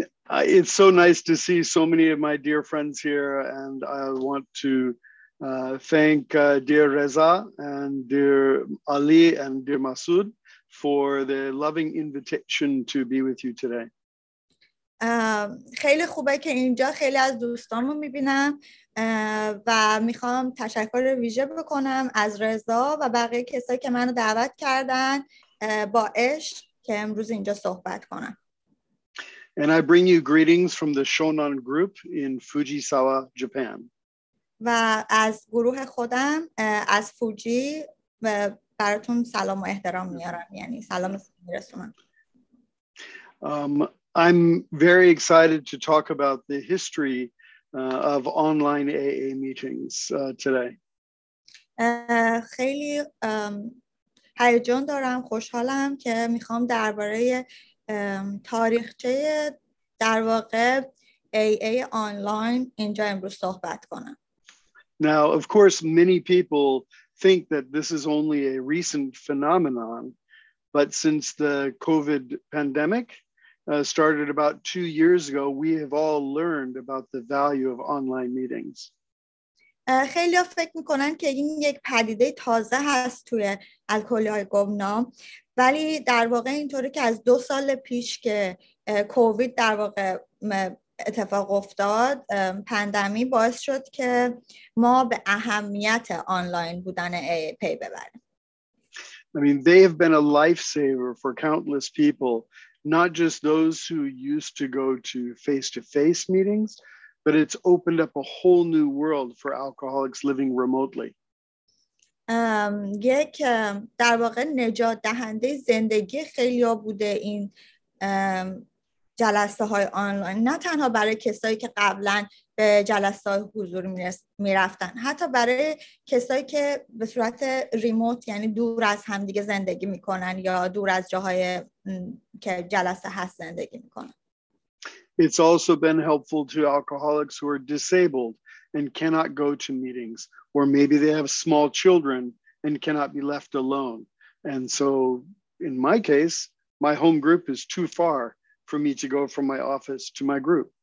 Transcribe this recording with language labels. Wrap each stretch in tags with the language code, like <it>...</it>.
<en>It's so nice to see so many of my dear friends here, and I want to thank dear Reza and dear Ali and dear Masood for the loving invitation to be with you today.</en> <fa>خیلی خوبه که اینجا خیلی از دوستامو میبینم و میخوام تشکر ویژه بکنم از رضا و بقیه کسایی که منو دعوت کردن با عشق که امروز اینجا صحبت کنم.</fa> <en>And I bring you greetings from the Shonan group in Fujisawa, Japan.</en> <fa>و از گروه خودم از فوجی براتون سلام و احترام میارم، یعنی سلام میرسونم.</fa> <en>I'm very excited to talk about the history of online AA meetings today.</en> <fa>خیلی هیجان دارم، خوشحالم که میخوام درباره تاریخچه در واقع AA online اینجا امروز صحبت کنم.</fa> <en>Now, of course, many people think that this is only a recent phenomenon, but since the COVID pandemic started about 2 years ago, we have all learned about the value of online meetings.</en> <fa>خیلی ها فکر میکنن که این یک پدیده تازه هست توی الکلی‌های گمنام، ولی در واقع اینطوری که از 2 سال پیش که کووید در واقع اتفاق افتاد، پندمی باعث شد که ما به اهمیت آنلاین بودن پی ببریم.</fa> <en>I mean, they have been a lifesaver for countless people. Not just those who used to go to face-to-face meetings, but it's opened up a whole new world for alcoholics living remotely.</en> <fa>یک در واقع نجات دهنده زندگی خیلی ها بوده این جلسه های آنلاین، نه تنها برای کسایی که قبلا به جلسه های حضور می رفتن، حتی برای کسایی که به صورت ریموت یعنی دور از همدیگه زندگی می کنن یا دور از جاهای که جلسه هست زندگی می کنن.</fa> <en>It's also been helpful to alcoholics who are disabled and cannot go to meetings, or maybe they have small children and cannot be left alone. And so in my case, my home group is too far for me to go from my office to my group.</en>